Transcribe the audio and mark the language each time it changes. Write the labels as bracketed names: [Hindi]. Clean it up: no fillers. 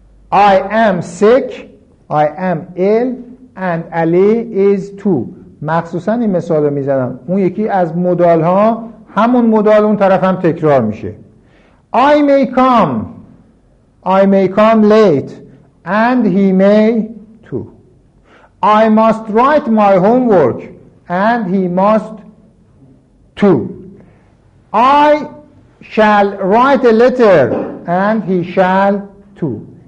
[English] I am sick, I am ill, and Ali is too. [Persian] مخصوصاً این مثال رو میزنم. اون یکی از مدال ها همون مدال اون طرف هم تکرار میشه. [English] I may come late, and he may too. I must write my homework, and he must too. I shall write a letter, and he shall too.